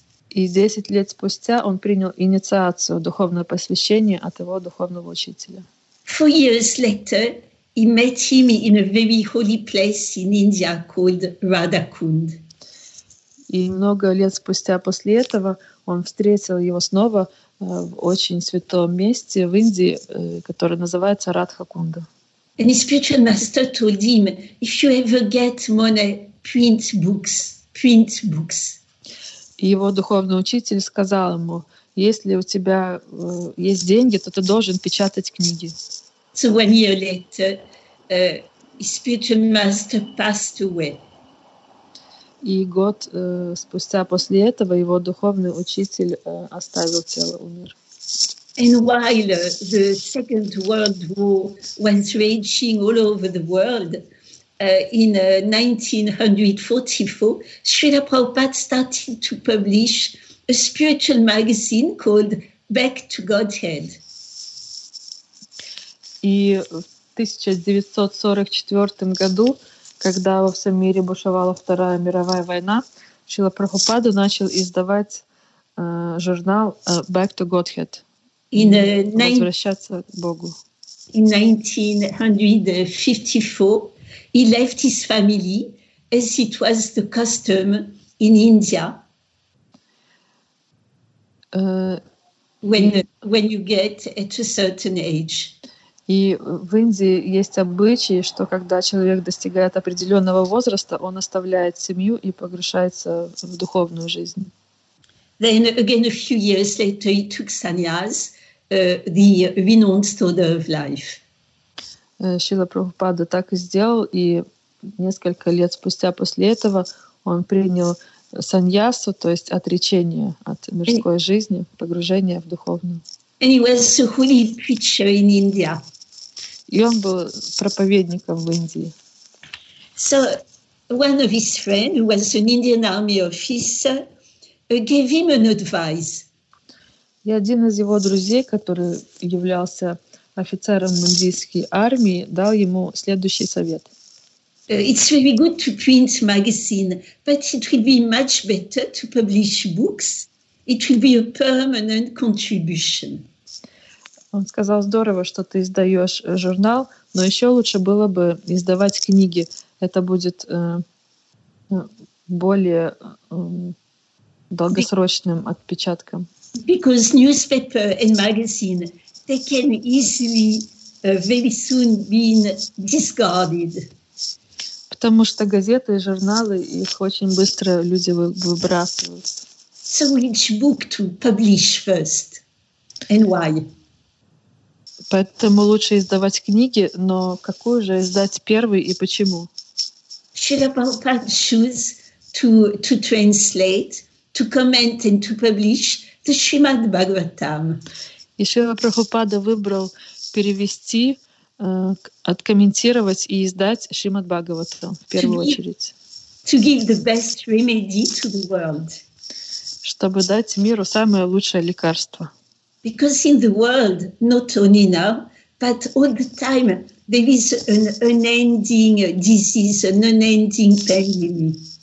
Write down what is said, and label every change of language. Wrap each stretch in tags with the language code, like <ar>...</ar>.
<ru>И 10 лет спустя он принял инициацию, духовное посвящение от его духовного учителя.</ru> <en>4 years later, he met him in a very holy place in India called Radhakund.</en> <ru>И много лет спустя после этого он встретил его снова в очень святом месте в Индии, которое называется Радхакунда.</ru> <en>And his spiritual master told him, if you ever get money, print books, print books.</en> <ru>И его духовный учитель сказал ему, если у тебя есть деньги, то ты должен печатать книги.</ru> <en>So 1 year later, his spiritual master passed away.</en> <ru>И год спустя после этого его духовный учитель оставил тело, умер.</ru> <en>And while the Second World War was raging all over the world, in 1944, Srila Prabhupada started to publish a spiritual magazine called Back to Godhead.</en> <ru>И в 1944 году, когда во всем мире бушевала Вторая мировая война, Шрила Прабхупада начал издавать журнал Back to Godhead. Возвращаться к Богу.</ru> <en>In 1954, he left his family, as it was the custom in India. When you get at a certain age.</en> <ru>И в Индии есть обычай, что когда человек достигает определенного возраста, он оставляет семью и погружается в духовную жизнь.</ru> <en>Then again a few years later he took sannyas, the renounced order of life.</en> <ru>Шрила Прабхупада так и сделал, и несколько лет спустя после этого он принял саньясу, то есть отречение от мирской жизни, погружение в духовную.</ru> <en>And he was a holy preacher in India.</en> <ru>И он был проповедником в Индии.</ru> <en>So one of his friends, who was an Indian army officer, gave him an advice.</en> <ru>И один из его друзей, который являлся офицером индийской армии, дал ему следующий совет.</ru> <en>It's very good to print magazine, but it would be much better to publish books. It would be a permanent contribution.</en> <ru>Он сказал, здорово, что ты издаешь журнал, но еще лучше было бы издавать книги. Это будет более долгосрочным отпечатком.</ru> <en>Because newspaper and magazine, they can easily, very soon be discarded.</en> <ru>Потому что газеты и журналы, их очень быстро люди выбрасывают.</ru> <en>So which book to publish first and why?</en> <ru>Поэтому лучше издавать книги, но какую же издать первой и почему?</ru> <en>Should Prabhupada choose to translate, to comment and to publish the Srimad Bhagavatam?</en> <ru>И Шрила Прабхупада выбрал перевести, откомментировать и издать Шримад Бхагаватам в первую очередь.</ru> <en>To give the best remedy to the world.</en> <ru>Чтобы дать миру самое лучшее лекарство.</ru> <en>Because in the world, not only now, but all the time, there is an unending disease, an unending pandemic.</en>